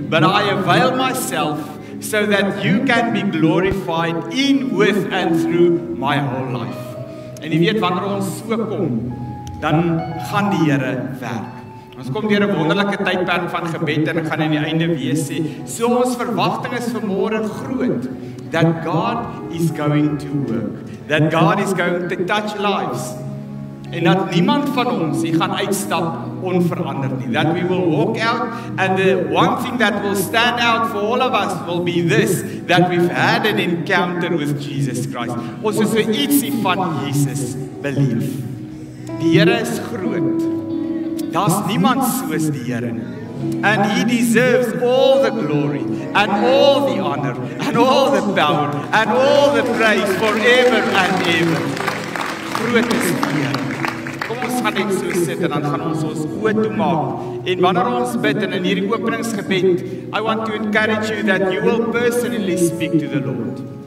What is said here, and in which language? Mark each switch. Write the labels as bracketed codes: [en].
[en] But I avail myself so that you can be glorified in, with and through my whole life. [af] En jy weet wanneer ons so kom, dan gaan die Here werk. Ons kom deur 'n wonderlike tydperk van gebed en ek gaan aan die einde wees sê, so ons verwagting is vanmôre groot that God is going to work, that God is going to touch lives. En dat niemand van ons hier gaan uitstap onveranderd nie. [en] That we will walk out, and the one thing that will stand out for all of us will be this, that we've had an encounter with Jesus Christ. [af] Ons is so ietsie van Jesus beleef. Die Here is groot. Daar's niemand soos die Here nie. [en] And He deserves all the glory, and all the honor, and all the power, and all the praise forever and ever. [af] Groot is die Here. Gaan net so sit en dan gaan ons oë toemaak. [en] En wanneer ons bid en in hierdie openingsgebed, I want to encourage you that you will personally speak to the Lord.